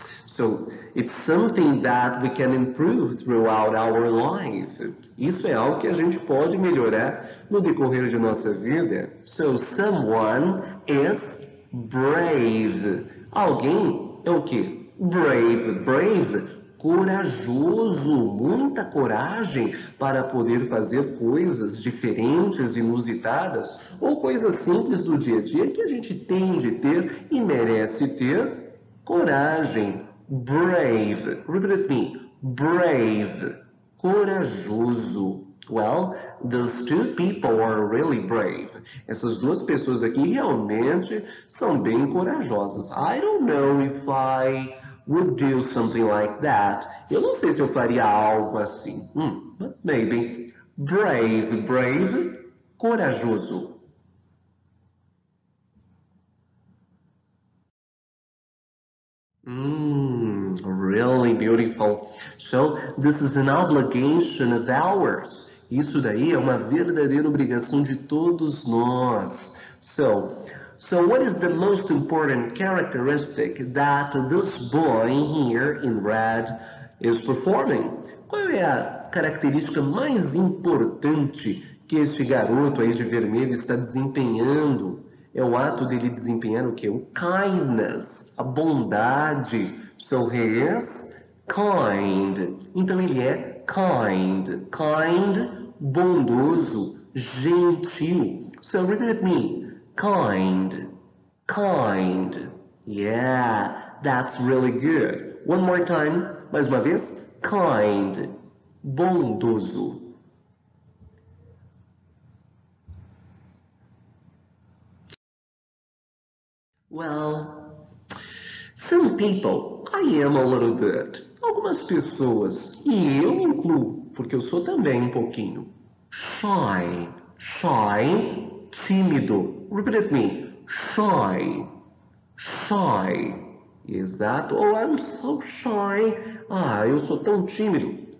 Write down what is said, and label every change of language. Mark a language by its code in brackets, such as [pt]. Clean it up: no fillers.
[en] So, it's something that we can improve throughout our life. [pt] Isso é algo que a gente pode melhorar no decorrer de nossa vida. [en] So, someone is brave. [pt] Alguém é o quê? Brave. Brave. Corajoso. Muita coragem para poder fazer coisas diferentes, inusitadas, ou coisas simples do dia a dia que a gente tem de ter e merece ter coragem. [en] Brave. Repeat with me. Brave. [pt] Corajoso. [en] Well, those two people are really brave. [pt] Essas duas pessoas aqui realmente são bem corajosas. [en] I don't know if I would do something like that. [pt] Eu não sei se eu faria algo assim. [en] But maybe. Brave. Brave. Corajoso. Really beautiful. So, this is an obligation of ours. [pt] Isso daí é uma verdadeira obrigação de todos nós. [en] So, what is the most important characteristic that this boy here in red is performing? [pt] Qual é a característica mais importante que este garoto aí de vermelho está desempenhando? É o ato dele desempenhar o quê? O kindness, a bondade. [en] So he is kind. [pt] Então ele é [en] kind. [pt] Kind, bondoso, gentil. [en] So repeat with me. Kind. Kind. Yeah, that's really good. One more time. [pt] Mais uma vez. [en] Kind. [pt] Bondoso. [en] Well, some people, I am a little bit. [pt] Algumas pessoas, e eu me incluo, porque eu sou também um pouquinho. [en] Shy. Shy. Tímido. Repeat with me. Shy. Shy. Exato. Oh, I'm so shy. [pt] Ah, eu sou tão tímido.